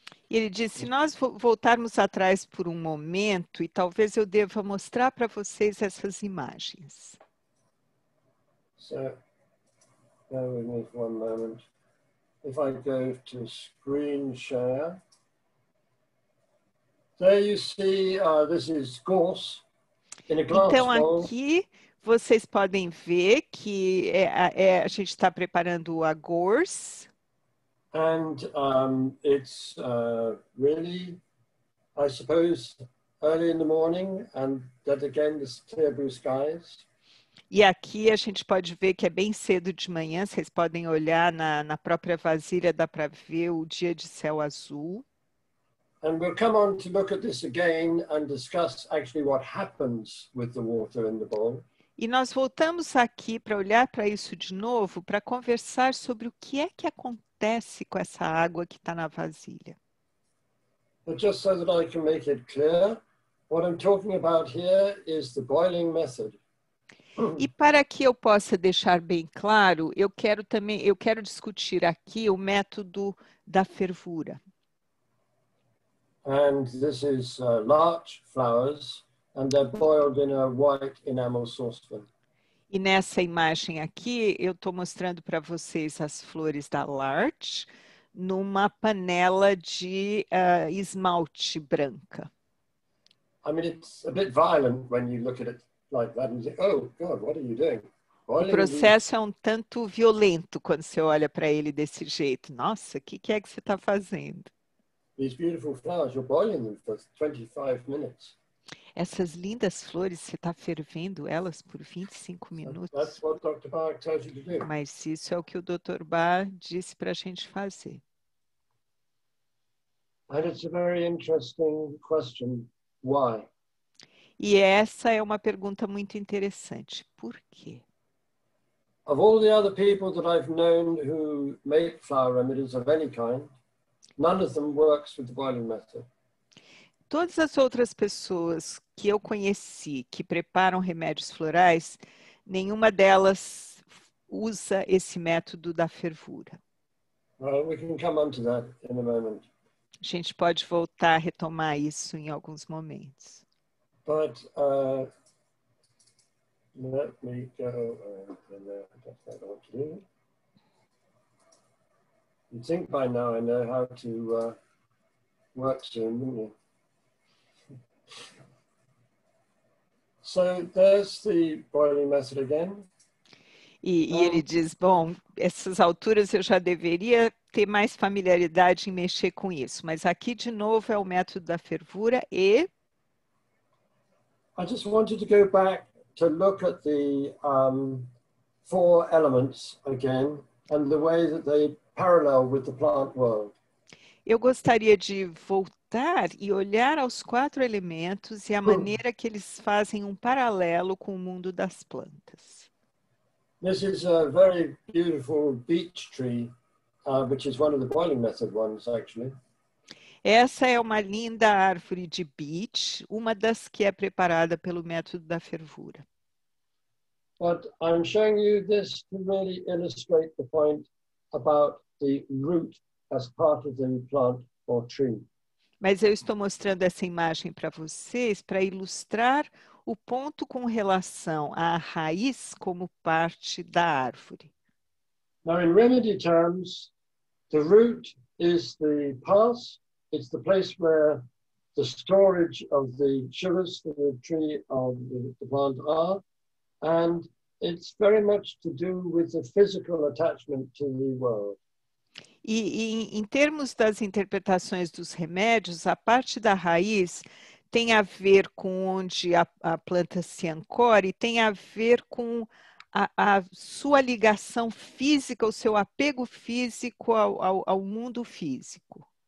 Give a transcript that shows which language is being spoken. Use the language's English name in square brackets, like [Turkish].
[Portuguese] Ele disse, se nós voltarmos atrás por um momento, e talvez eu deva mostrar para vocês essas imagens. [English] So, bear with me for one moment. If I go to screen share, there you see, this is gauze in a glass [Portuguese] então, [English] bowl. [Portuguese] Então aqui vocês podem ver que a gente está preparando a gauze. [English] And it's really, I suppose, early in the morning, and that again is clear blue skies. [Portuguese] E aqui a gente pode ver que é bem cedo de manhã, vocês podem olhar na própria vasilha, dá para ver o dia de céu azul. [English] And we'll come on to look at this again and discuss actually what happens with the water in the bowl. [Portuguese] E nós voltamos aqui para olhar para isso de novo, para conversar sobre o que é que acontece com essa água que está na vasilha. [English] But just so that I can make it clear, what I'm talking about here is the boiling method. [Portuguese] E para que eu possa deixar bem claro, eu quero discutir aqui o método da fervura. [English] And this is larch flowers, and they're boiled in a white enamel saucepan. [Portuguese] E nessa imagem aqui, eu estou mostrando para vocês as flores da larch numa panela de esmalte branca. [English] I mean, it's a bit violent when you look at it. Like that and say, oh God, what are you doing? [Portuguese] O processo é um tanto violento quando você olha para ele desse jeito. Nossa, o que, que é que você está fazendo? [English] These beautiful flowers, you're boiling them for 25 minutes. [Portuguese] Essas lindas flores, você está fervendo elas por 25 minutos? [English] That's what Dr. Bach tells you to do. [Portuguese] Mas isso é o que o Dr. Bach disse para a gente fazer. [English] And it's a very interesting question. Why? [Portuguese] E essa é uma pergunta muito interessante. Por quê? [English] Of all the other people that I've known who make flower remedies of any kind, none of them works with the boiling method. [Portuguese] Todas as outras pessoas que eu conheci que preparam remédios florais, nenhuma delas usa esse método da fervura. [English] Well, we can come on to that in a moment. [Portuguese] A gente pode voltar a retomar isso em alguns momentos. [English] But let me go over there. That's what I want to do. You'd think by now I know how to work soon, wouldn't you? So there's the boiling method again. [Portuguese] E ele diz, bom, essas alturas eu já deveria ter mais familiaridade em mexer com isso. Mas aqui, de novo, é o método da fervura e... [English] I just wanted to go back to look at the four elements again and the way that they parallel with the plant world. [Portuguese] Eu gostaria de voltar e olhar aos quatro elementos e a maneira que eles fazem paralelo com o mundo das plantas. [English] This is a very beautiful beech tree, which is one of the boiling method ones, actually. [Portuguese] Essa é uma linda árvore de beech, uma das que é preparada pelo método da fervura. [English] But I'm showing you this to really illustrate the point about the root as part of the plant or tree. [Portuguese] Mas eu estou mostrando essa imagem para vocês para ilustrar o ponto com relação à raiz como parte da árvore. [English] Now, in remedy terms, the root is the pulse. It's the place where the storage of the sugars for the tree of the plant are. And it's very much to do with the physical attachment to the world. [Portuguese] E em termos das interpretações dos remédios, a parte da raiz tem a ver com onde a planta se ancora e tem a ver com a sua ligação física, o seu apego físico ao mundo físico.